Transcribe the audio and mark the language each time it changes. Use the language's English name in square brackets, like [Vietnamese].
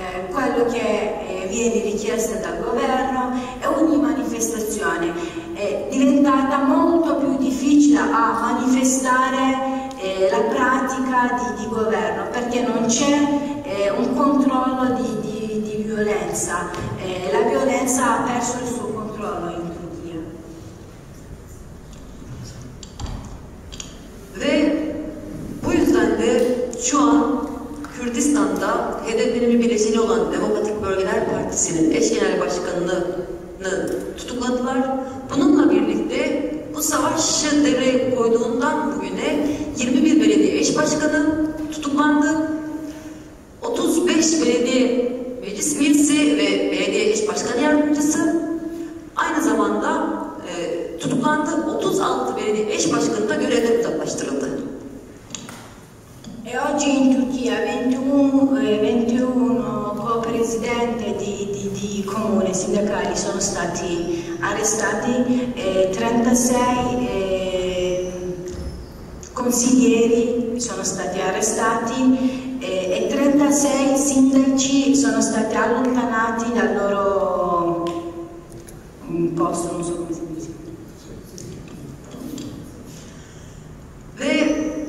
[Italian] quello che viene richiesto dal governo, e ogni manifestazione è diventata molto più difficile a manifestare la pratica di governo, perché non c'è un controllo di violenza, la violenza ha perso il suo controllo in Turchia. [Turkish] Ve bu yüzden de şu an Kürdistan'da HDP'nin bir bileşeni olan Demokratik Bölgeler Partisi'nin eş genel başkanını tutukladılar. Bununla birlikte bu savaşı devreye koyduğundan bugüne 21 belediye eş başkanı tutuklandı. 35 belediye meclis üyesi ve belediye eş başkanı yardımcısı aynı zamanda tutuklandı. 36 belediye eş başkanı da görevden uzaklaştırıldı. [Italian] E oggi in Turchia 21 co-presidenti di comune sindacali sono stati arrestati, 36 consiglieri sono stati arrestati e 36 sindaci sono stati allontanati dal loro posto, non so come si dice.